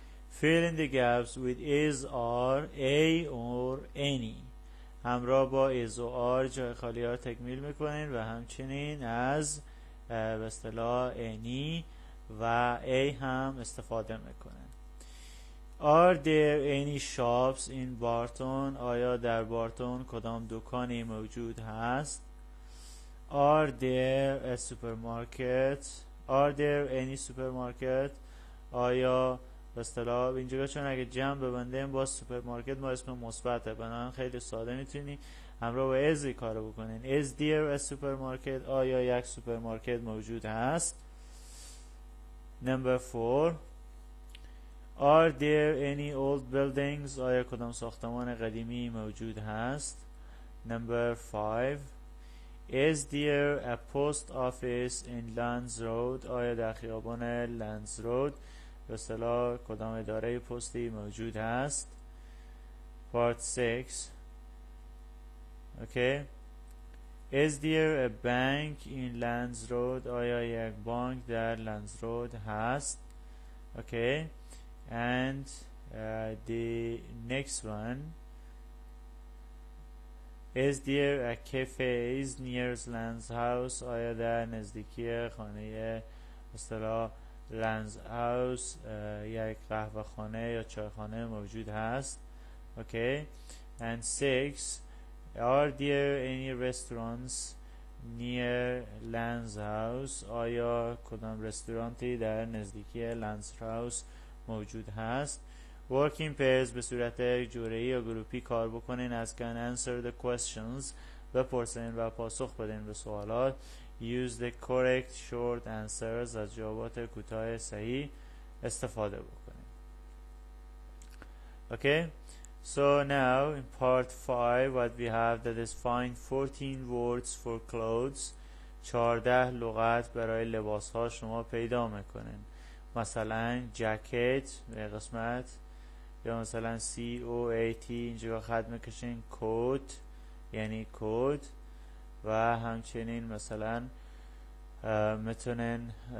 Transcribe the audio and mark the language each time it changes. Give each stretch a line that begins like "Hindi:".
English: fill in the gaps with is, are, a or any.
Persian: همراه با is و are جای خالی ها تکمیل میکنین و همچنین از به اصطلاح any و a هم استفاده میکنین.
English: Are there any shops in Barton?
Persian: آیا در بارتون کدام دکانی موجود هست؟
English: Are there a supermarket? Are there any supermarket?
Persian: آیا به اصطلاح اینجا چون اگه جمع ببندیم با سوپرمارکت ما اسم مثبته، بنابراین خیلی ساده میتونی همراه با is کارو بکنین.
English: Is there a supermarket?
Persian: آیا یک سوپرمارکت موجود هست؟
English: Number 4. Are there any old buildings?
Persian: آیا کدام ساختمان قدیمی موجود هست؟
English: Number 5. Is there a post office in Lands Road?
Persian: آیا در خیابان Lands Road به اصطلاح کدام اداره پستی موجود هست؟
English: Part 6. Okay. Is there a bank in Lands Road?
Persian: آیا یک بانک در Lands Road هست؟ Okay.
English: And the next one, is there a cafe is near Lands House?
Persian: آیا در نزدیکی خانه استلا Lands House یک قهوه خانه یا چای خانه موجود هست؟ Okay.
English: And 6, are there any restaurants near Lands House?
Persian: آیا کدام رستورانتی در نزدیکی Lands House موجود هست؟
English: Working pairs
Persian: به صورت جوره‌ای یا گروپی کار بکنین.
English: Ask and answer the questions.
Persian: بپرسین و پاسخ بدین به سوالات.
English: Use the correct short answers.
Persian: از جوابات کوتاه صحیح استفاده بکنین.
English: Okay. So now in part 5 what we have that is find 14 words for clothes.
Persian: 14 لغت برای لباس ها شما پیدا میکنین. مثلا جاکت به قسمت، یا مثلا COAT اینجا خط میکشین، کوت یعنی کوت، و همچنین مثلا میتونین